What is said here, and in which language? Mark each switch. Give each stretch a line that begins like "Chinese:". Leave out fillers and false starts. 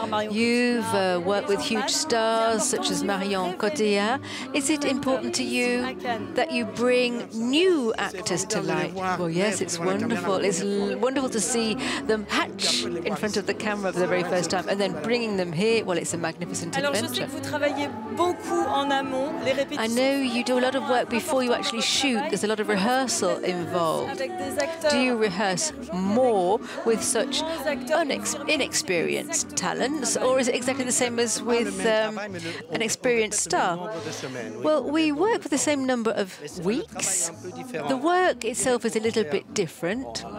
English: You've worked with huge stars such as Marion Cotillard. Is it important to you that you bring new actors to light? Well, yes, it's wonderful. It's wonderful to see them hatch in front of the camera for the very first time. And then bringing them here, well, it's a magnificent
French: Alors,
English: adventure.
French: Alors, je sais que vous travaillez beaucoup en amont, les répétitions.
English: I know you do a lot of work before you actually shoot. There's a lot of rehearsal involved. Do you rehearse more with such inexperienced talents, or is it exactly the same as with an experienced star? Well, we work for the same number of weeks. The work itself is a little bit different.